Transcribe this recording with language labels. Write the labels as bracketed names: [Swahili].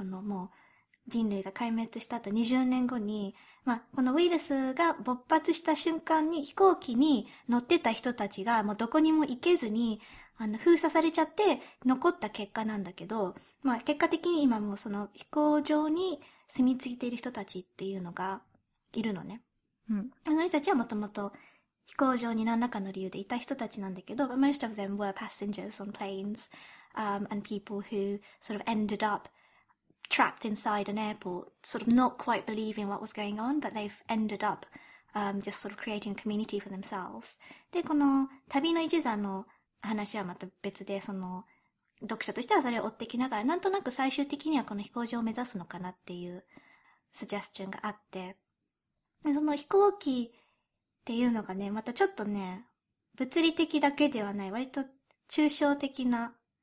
[Japanese] このもう人類が壊滅した後20年後に、まあ、このウイルスが勃発した瞬間に飛行機に乗ってた人たちがもうどこにも行けずに、封鎖されちゃって残った結果なんだけど、まあ、結果的に今もその飛行場に住み着いている人たちっていうのがいるのね。その人たちはもともと飛行場に何らかの理由でいた人たちなんだけど、 [English] but most of them were passengers on planes, and people who sort of ended up trapped inside an airport, sort of not quite believing what was going on, but they've ended up, just sort of creating a community for themselves. [Japanese] で、この旅の一座の話はまた別で、その読者としてはそれを追ってきながら、なんとなく最終的にはこの飛行場を目指すのかなっていうサジェスチョンがあって、で、その飛行機っていうのがね、またちょっとね、物理的だけではない、割と抽象的じゃな